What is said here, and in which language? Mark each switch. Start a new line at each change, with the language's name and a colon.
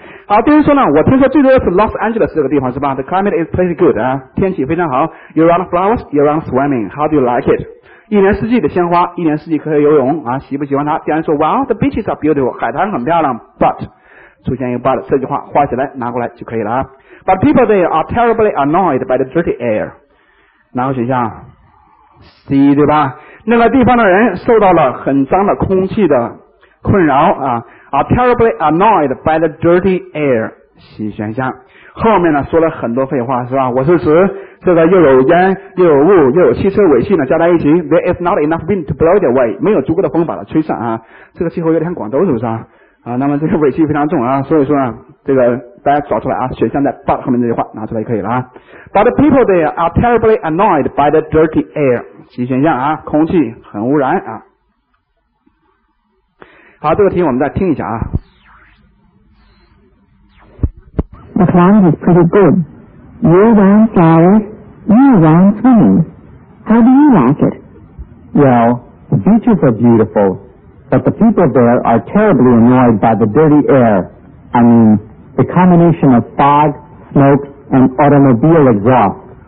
Chinese: 好，第一说呢，我听说最多的是 Los Angeles 这个地方是吧 ？
English: The climate is pretty good
Chinese: 啊，天气非常好。
English: You run flowers, you run swimming. How do you like it？
Chinese: 一年四季的鲜花，一年四季可以游泳啊，喜不喜欢它？第二说
English: ，Well, the beaches are beautiful，
Chinese: 海滩很漂亮
English: ，But。
Chinese: 出现一个 but 这句话画起来拿过来就可以了啊。
English: But people there are terribly annoyed by the dirty air。
Chinese: 哪个选项 ？C 对吧？那个地方的人受到了很脏的空气的困扰啊。
English: Are terribly annoyed by the dirty air。
Chinese: C 选项。后面呢说了很多废话是吧？我是指这个又有烟又有雾又有汽车尾气呢加在一起。
English: There is not enough wind to blow it away。
Chinese: 没有足够的风把它吹散啊。这个气候有点像广州是不是啊？啊，那么这个尾气非常重啊，所以说呢，这个大家找出来啊，选项在 but 后面这句话拿出来就可以了啊。
English: But the people there are terribly annoyed by the dirty air。
Chinese: C 选项啊，空气很污染啊。好，这个题我们再听一下啊。
English: The climate is pretty good. Year-round flowers, year-round swimming. How do you like it? Well, the beaches are beautiful, but the people there are terribly annoyed by the dirty air. I mean, the combination of fog, smoke, and automobile exhaust.